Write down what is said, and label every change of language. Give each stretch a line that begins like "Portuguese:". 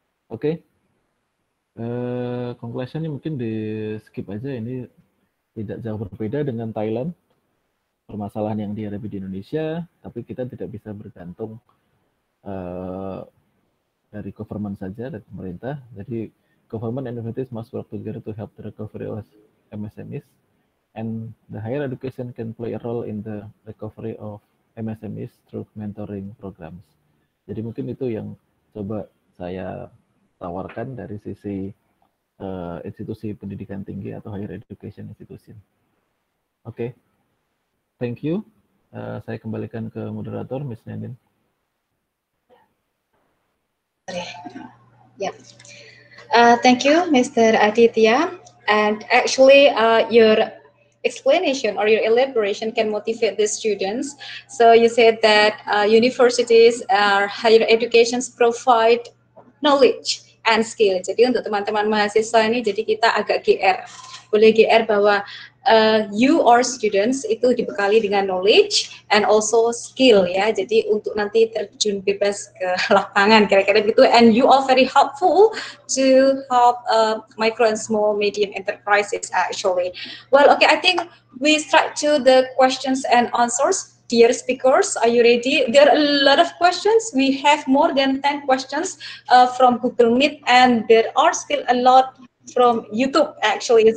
Indonesian: Oke, conclusionnya mungkin di skip aja, ini tidak jauh berbeda dengan Thailand, permasalahan yang dihadapi di Indonesia, tapi kita tidak bisa bergantung dari government saja, dari pemerintah. Jadi
English: government and universities must work together to help the recovery of MSMEs, and the higher education can play a role in the recovery of MSMEs through mentoring programs.
Indonesian: Jadi mungkin itu yang coba saya tawarkan dari sisi institusi pendidikan tinggi atau
English: higher education institution. Oke, okay. Thank you.
Indonesian: Saya kembalikan ke moderator, Ms. Nadine.
English: Yeah. Thank you, Mr. Aditya. And actually, your explanation or your elaboration can motivate the students. So you said that universities or higher educations provide knowledge and skill.
Indonesian: Jadi untuk teman-teman mahasiswa ini, jadi kita agak GR. Boleh GR bahwa
English: you or students
Indonesian: itu dibekali dengan
English: knowledge and also skill
Indonesian: ya. Jadi untuk nanti terjun bebas ke lapangan kira-kira begitu.
English: And you are very helpful to help micro and small medium enterprises actually. Well, okay, I think we start to the questions and answers. Dear speakers, are you ready? There are a lot of questions. We have more than 10 questions from Google Meet, and there are still a lot from YouTube actually.